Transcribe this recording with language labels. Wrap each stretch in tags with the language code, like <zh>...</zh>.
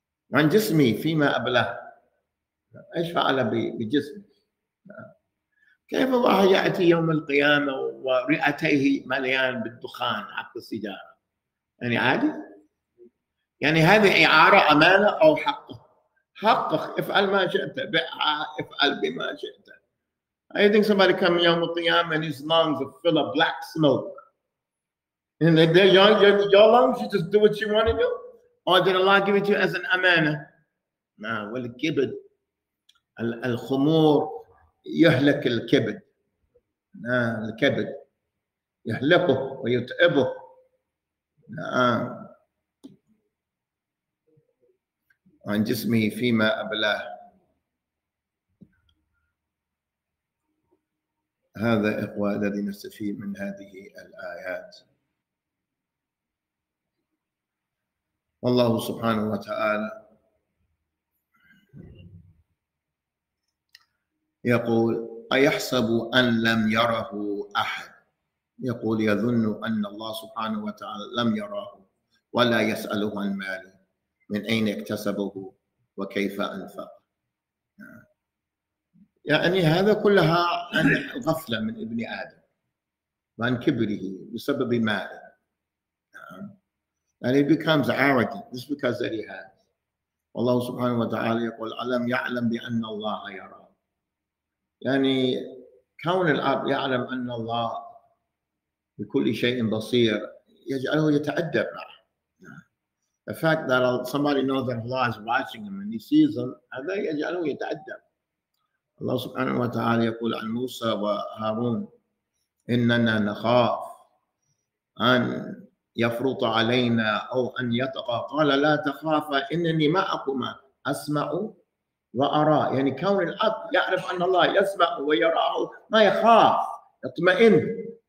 <ar>وعن جسمي فيما أبله، إيش فعل بجسمه؟ كيف الله يأتي يوم القيامة ورئتيه مليان بالدخان عقب السجارة؟ يعني عادي؟ يعني هذه إعارة أمانة أو حقه؟ حقك، افعل ما شئت، بيعها، افعل بما شئت.</ar> <en>I think somebody come</en> <ar>يوم القيامة</ar> <en>and his lungs are full of black smoke. And they're young, your lungs, you just do what you want to do? Or did Allah give it to you as an</en> <ar>أمانة؟ نعم، والكبد، الخمور يهلك الكبد، نعم، الكبد يهلكه ويتعبه، نعم. عن جسمه فيما أبلاه، هذا إخوة الذي نستفيد من هذه الآيات. والله سبحانه وتعالى يقول أيحسب أن لم يره أحد، يقول يظن أن الله سبحانه وتعالى لم يره ولا يسأله عن ماله من أين اكتسبه وكيف أنفق. يعني هذا كلها عن غفلة من ابن آدم وعن كبره بسبب ماله.</ar> <en>And he becomes arrogant just because that he has.</en> <ar>والله سبحانه وتعالى يقول ألم يعلم بأن الله يرى. يعني كون الأب يعلم أن الله بكل شيء بصير يجعله يتأدب معه.</ar> <en>The fact that somebody knows that Allah is watching him and he sees him,</en> <ar>هذا يجعله يتأدب. الله سبحانه وتعالى يقول عن موسى وهارون إننا نخاف أن يفرط علينا أو أن يطغى. قال لا تخافا إنني معكما أسمع وأرى. يعني كون الأب يعرف أن الله يسمع ويراه ما يخاف، يطمئن.</ar>